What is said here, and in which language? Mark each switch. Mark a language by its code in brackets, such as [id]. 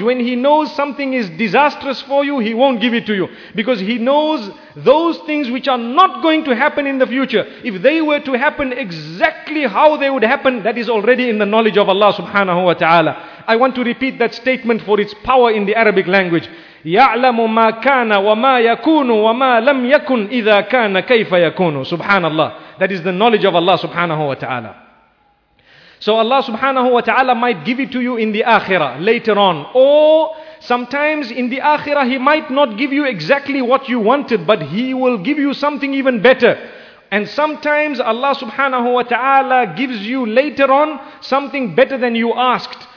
[en] When He knows something is disastrous for you, He won't give it to you. Because He knows those things which are not going to happen in the future. If they were to happen exactly how they would happen, that is already in the knowledge of Allah subhanahu wa ta'ala. I want to repeat that statement for its power in the Arabic language. [ar] يعلم ما كان وما يكون وما لم يكن إذا كان كيف يكون. سبحان الله. [en] That is the knowledge of Allah subhanahu wa ta'ala. So Allah subhanahu wa ta'ala might give it to you in the akhirah later on. Or sometimes in the akhirah He might not give you exactly what you wanted, but He will give you something even better. And sometimes Allah subhanahu wa ta'ala gives you later on something better than you asked.